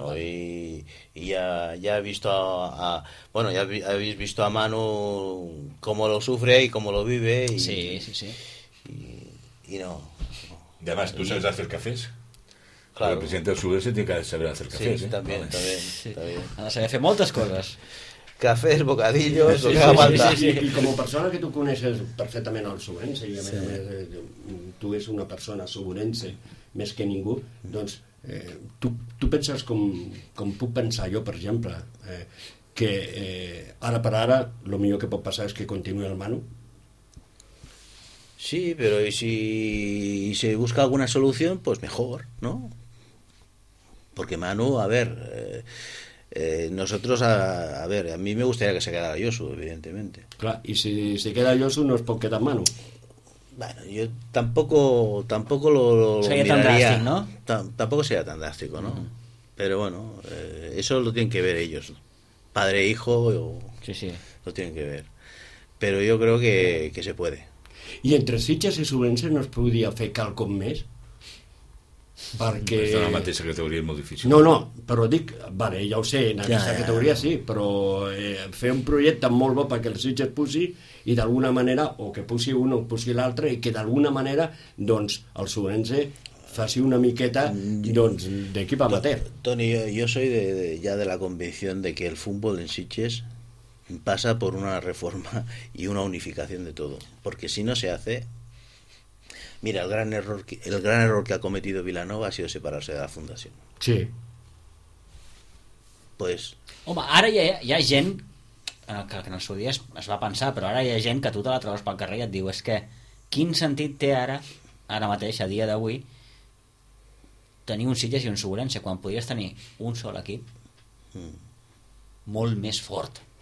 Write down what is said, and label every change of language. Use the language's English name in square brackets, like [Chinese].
[Catalan] No, i ja he vist [Spanish] bueno, ja habéis visto a Manu cómo lo sufre y cómo lo vive y sí. Y no. Y además, tú sabes hacer cafés. Claro. [Catalan] El president del Sobrense té que saber fer cafès. Sí, també, també. Ha de saber fer moltes coses. Cafès, bocadillos, sí, sí, sí, sí, sí. I com a persona que tu coneixes perfectament el Sobrense, i a més a més tu és una persona sobrense més que ningú, doncs tu penses com puc pensar jo, per exemple, que ara per ara el millor que pot passar és que continuï el Manu? [Spanish] Sí, pero y si se busca alguna solución, pues mejor, ¿no? Porque Manu, a ver, nosotros, a ver, a mí me gustaría que se quedara Josu, evidentemente. Claro, y si se queda Josu, ¿no es por quedar Manu? Bueno, yo tampoco lo sería miraría. Tan drástico, ¿no? Tampoco sería tan drástico, ¿no? Uh-huh. Pero bueno, eso lo tienen que ver ellos, ¿no? Padre e hijo, o... sí. Lo tienen que ver. Pero yo creo que se puede. [Catalan] I entre Sitges i Sobrense no es podia fer quelcom més? Perquè... Però la mateixa categoria és molt difícil. No, però dic, vale, ja ho sé, en aquesta categoria sí, però fer un projecte molt bo perquè el Sitges pugi i d'alguna manera, o que pugi un o pugi l'altre, i que d'alguna manera doncs el Sobrense faci una miqueta doncs, d'equip amateur. [Spanish] Toni, jo soy de la convicció de que el futbol en Sitges pasa por una reforma y una unificación de todo, porque si no se hace, mira, el gran error que ha cometido Vilanova ha sido separarse de la fundación. Sí. Pues, [Catalan] home, ara hi ha gent que en el seu dia es va pensar, però ara hi ha gent que tu te la trobes pel carrer i et diu, és que quin sentit té ara mateix, a dia d'avui, tenir un Sitges i un Sobrense quan podries tenir un sol equip molt més fort.